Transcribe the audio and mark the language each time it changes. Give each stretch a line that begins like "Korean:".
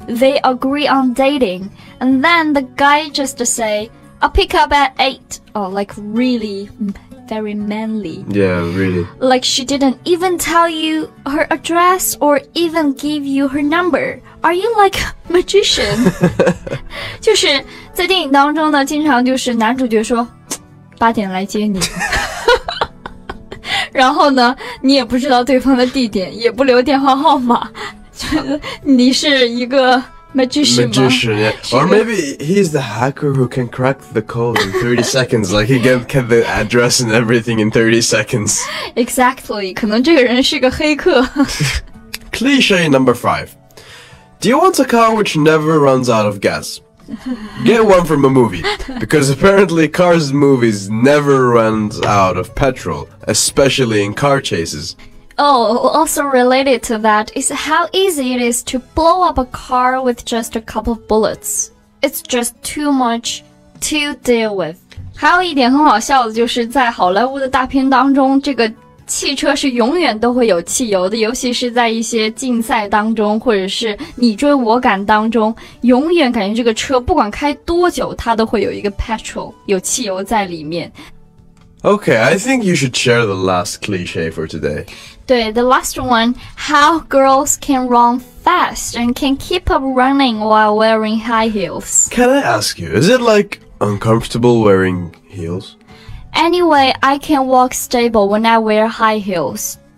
English: They agree on dating, and then the guy just say, I'll pick up at 8. Oh, like really, very manly. Yeah, really. Like she didn't even tell you her address or even give you her number. Are you like a magician?
Chinese: 就是在电影当中呢，经常就是男主角说，八点来接你。然后呢，你也不知道对方的地点，也不留电话号码。你是一个 magician、
English: yeah. or maybe he's the hacker who can crack the code in 30 seconds like he can get the address and everything in 30 seconds
Chinese: exactly 可能这个人是个黑客
English: cliche number 5 do you want a car which never runs out of gas get one from a movie because apparently cars in movies never run out of petrol especially in car chases Oh, also related to that is how easy it is to blow up a car with just a couple of bullets. It's just too much to deal with.
Chinese: 还有一点很好笑的就是在好莱坞的大片当中，这个汽车是永远都会有汽油的，尤其是在一些竞赛当中，或者是你追我赶当中，永远感觉这个车不管开多久，它都会有一个 petrol, 有汽油在里面。
English: Okay, I think you should share the last cliche for today. 对 the last one, how girls can run fast and can keep up running while wearing high heels. Can I ask you, is it like uncomfortable wearing heels? Anyway, I can walk stable when I wear high heels.